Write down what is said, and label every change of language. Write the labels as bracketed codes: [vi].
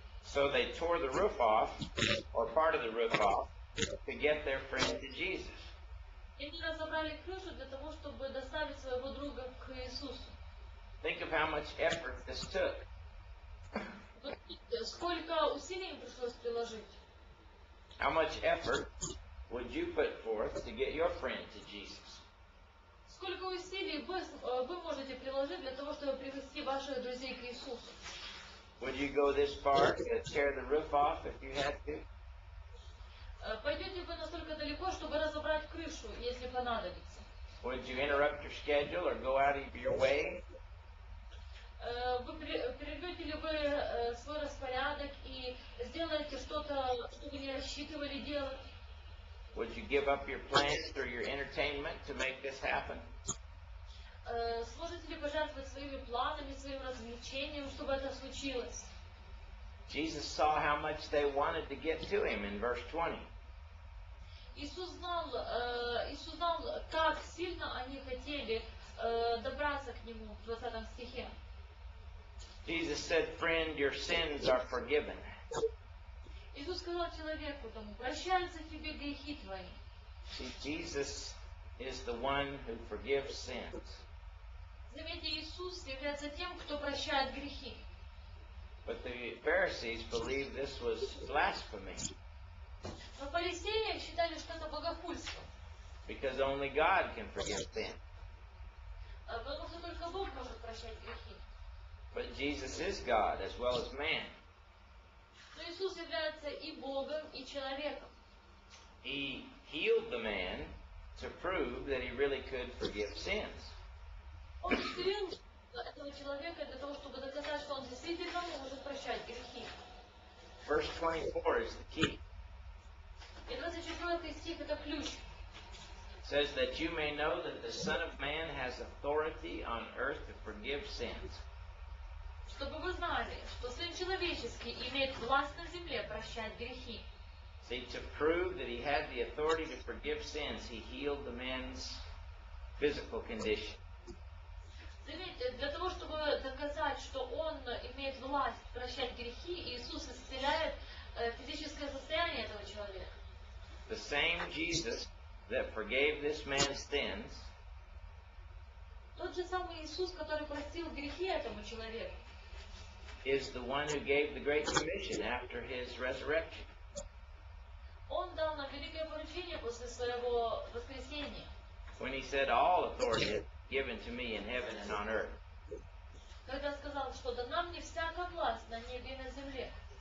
[en] So they tore the roof off, or part of the roof off, to get their friend to Jesus. [ru] И они разобрали крышу для того, чтобы доставить своего друга к Иисусу. [en] Think of how much effort this took. [ru] Сколько усилий им пришлось приложить. [en] How much effort would you put forth to get your friend to Jesus? [ru] Сколько усилий вы можете приложить для того, чтобы привести ваших друзей к Иисусу? [en] Would you go this far to tear the roof off if you had to? [ru] Пойдете вы настолько далеко, чтобы разобрать крышу, если понадобится? [en] Would you interrupt your schedule or go out of your way? [ru] Вы прервете ли вы свой распорядок и сделаете что-то, что вы не рассчитывали делать? [en] Would you give up your plans or your entertainment to make this happen? [ru] Сможете ли пожертвовать своими планами, своим развлечением, чтобы это случилось? [en] Jesus saw how much they wanted to get to him in verse 20. [ru] Иисус знал, как сильно они хотели добраться к нему в 20 стихе. [en] Jesus said, "Friend, your sins are forgiven." [ru] Иисус сказал человеку тому, прощаются тебе грехи твои. [en] See, Jesus is the one who forgives sins. [ru] Заметьте, Иисус является тем, кто прощает грехи. [en] But the Pharisees believed this was blasphemy. [ru] Но фарисеи считали, что это богохульство. [en] Because only God can forgive sin. [ru] Потому что только Бог может прощать грехи. [en] But Jesus is God as well as man. [ru] Но Иисус является и Богом, и человеком. [en] He healed the man to prove that he really could forgive sins. [ru] Он исцелил этого человека для того, чтобы доказать, что он действительно может прощать грехи. [en] Verse 24 is the key. [ru] И 24 стих это ключ. [en] It says that you may know that the Son of Man has authority on earth to forgive sins. [ru] Чтобы вы знали, что Сын Человеческий имеет власть на земле прощать грехи. [en] See, to prove that he had the authority to forgive sins, he healed the man's physical condition. [ru] Заметьте, для того, чтобы доказать, что он имеет власть прощать грехи, Иисус исцеляет физическое состояние этого человека. [en] The same Jesus that forgave this man's sins, [ru] тот же самый Иисус, который простил грехи этому человеку, [en] is the one who gave the Great Commission after his resurrection. [ru] Он дал нам великое поручение после своего воскресения. [en] When he said, "All authority is given to me in heaven and on earth." [ru] Когда сказал, что дана мне всякая власть на небе и на земле.